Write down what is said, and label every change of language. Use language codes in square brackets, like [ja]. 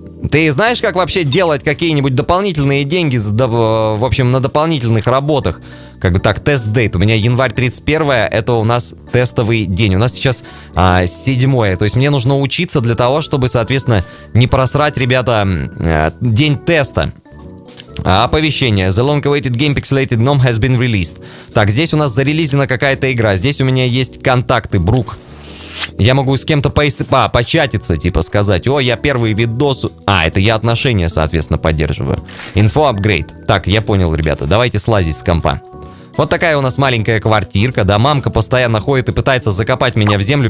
[ru] Ты знаешь, как вообще делать какие-нибудь дополнительные деньги, в общем, на дополнительных работах? Как бы так, тест-дейт. У меня январь 31, это у нас тестовый день. У нас сейчас 7. То есть мне нужно учиться для того, чтобы, соответственно, не просрать, ребята, день теста. Оповещение. [en] The long-awaited game pixelated gnome has been released. [ru] Так, здесь у нас зарелизена какая-то игра. Здесь у меня есть контакты, Брук. Я могу с кем-то початиться, типа сказать, о, я первый видос... А, это я отношения, соответственно, поддерживаю. [en] Info upgrade. [ru] Так, я понял, ребята, давайте слазить с компа. Вот такая у нас маленькая квартирка, да, мамка постоянно ходит и пытается закопать меня в землю.